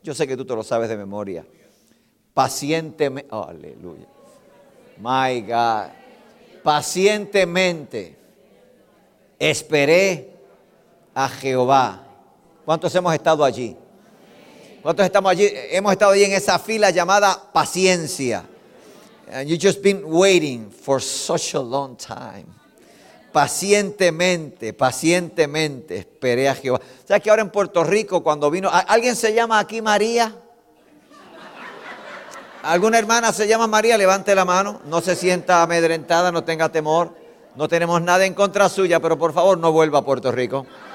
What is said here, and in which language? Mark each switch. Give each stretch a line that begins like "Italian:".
Spanish: Yo sé que tú te lo sabes de memoria. Pacientemente, oh, aleluya.
English: My God.
Spanish: Pacientemente esperé a Jehová. ¿Cuántos hemos estado allí? ¿Cuántos estamos allí? Hemos estado allí en esa fila llamada paciencia.
English: And you've just been waiting for such a long time.
Spanish: Pacientemente, pacientemente esperé a Jehová. ¿Sabes que ahora en Puerto Rico cuando vino? ¿Alguien se llama aquí María? ¿Alguna hermana se llama María? Levante la mano. No se sienta amedrentada, no tenga temor. No tenemos nada en contra suya, pero por favor no vuelva a Puerto Rico.